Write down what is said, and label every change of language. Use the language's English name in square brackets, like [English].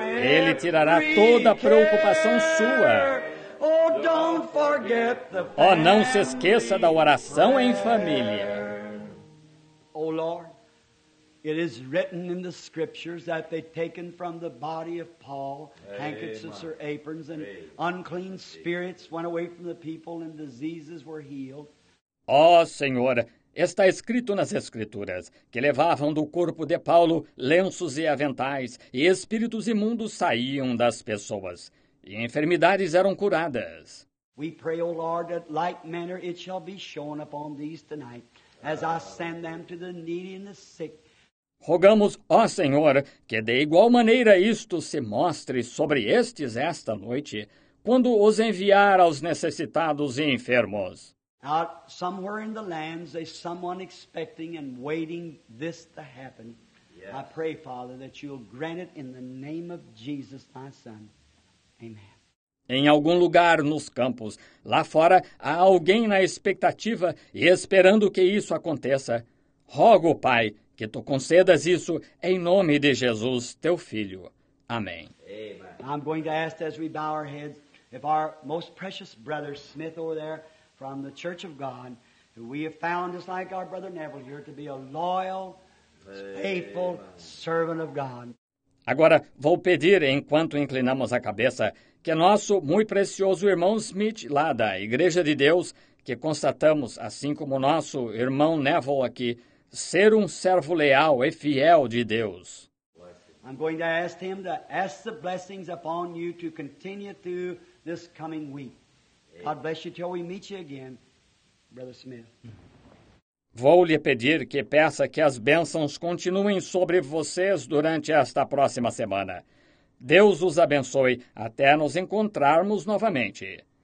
[Portuguese] Ele tirará toda a preocupação [English] care. [Portuguese] Sua. [English] Oh, don't forget the family. [Portuguese] Oh, não se esqueça da oração prayer. Em família. [English] Oh Lord, it is written in the scriptures that they taken from the body of Paul Amen. Handkerchiefs or aprons and Amen. Unclean spirits went away from the people and diseases were healed. [Portuguese] Oh, Senhor, está escrito nas escrituras que levavam do corpo de Paulo lenços e aventais e espíritos imundos saíam das pessoas e enfermidades eram curadas. [English] We pray, O Lord, that like manner it shall be shown upon these tonight. As I send them to the needy and the sick. [Portuguese] Rogamos, ó Senhor, que de igual maneira isto se mostre sobre estes esta noite, quando os enviar aos necessitados e enfermos. [English] Out somewhere in the lands, there's someone expecting and waiting this to happen. Yes. I pray, Father, that you'll grant it in the name of Jesus, my Son. Amen. [Portuguese] Em algum lugar nos campos, lá fora, há alguém na expectativa e esperando que isso aconteça. Rogo, Pai, que tu concedas isso em nome de Jesus, teu Filho. Amém. [English] I'm going to ask as we bow our heads, if our most precious brother Smith over there from the Church of God, who we have found just like our brother Neville here, to be a loyal, faithful servant of God. [Portuguese] Agora, vou pedir, enquanto inclinamos a cabeça, que nosso muito precioso irmão Smith, lá da Igreja de Deus, que constatamos, assim como nosso irmão Neville aqui, ser um servo leal e fiel de Deus. [English] I'm going to ask him to ask the blessings upon you to continue through this coming week. God bless you till we meet you again, Brother Smith. [Portuguese] Vou lhe pedir que peça que as bênçãos continuem sobre vocês durante esta próxima semana. Deus os abençoe até nos encontrarmos novamente.